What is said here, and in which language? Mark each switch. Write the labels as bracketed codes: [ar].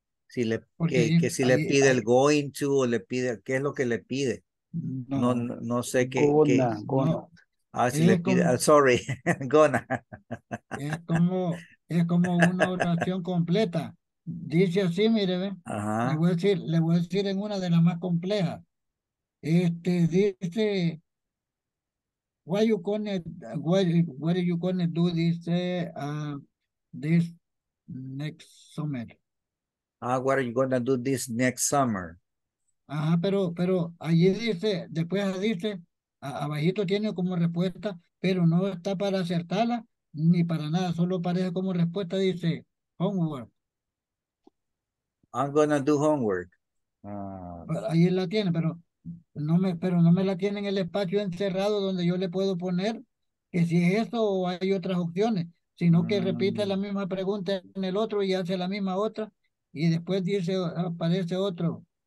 [es] Si le, que si ahí, le pide ahí, el [en] going to [es] o le pide, qué es lo que le pide. No sé qué. [en] Gona. [es] Ah, si le pide. Como, [en] sorry, gona. [es] Es como una oración completa. Dice así, mire, ve. Ajá. Le voy a decir en una de las más complejas. Dice, [en] what are you gonna do this next summer? What are you gonna do this next summer? [es] Ajá, pero allí dice, después dice, abajito tiene como respuesta, pero no está para acertarla ni para nada, solo parece como respuesta, dice, homework. [en] I'm gonna do homework. [es] Ahí la tiene, pero no me la tiene en el espacio encerrado donde yo le puedo poner que si es eso o hay otras opciones, sino que repite la misma pregunta en el otro y hace la misma otra y después dice, aparece otro.